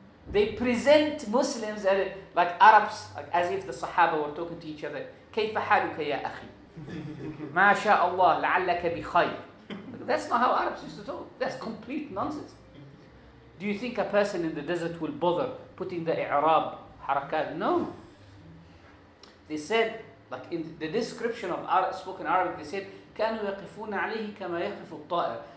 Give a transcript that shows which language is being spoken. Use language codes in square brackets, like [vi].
[en] They present Muslims as, like Arabs, like, as if the Sahaba were talking to each other. [ar] كيف حالك يا أخي؟ ما شاء الله لعلك بخير. [en] That's not how Arabs used to talk. That's complete nonsense. Do you think a person in the desert will bother putting the I'rab harakat. No. They said, like in the description of Arab, spoken Arabic, they said, [ar] كانوا يقفون عليه كما يقف الطائر.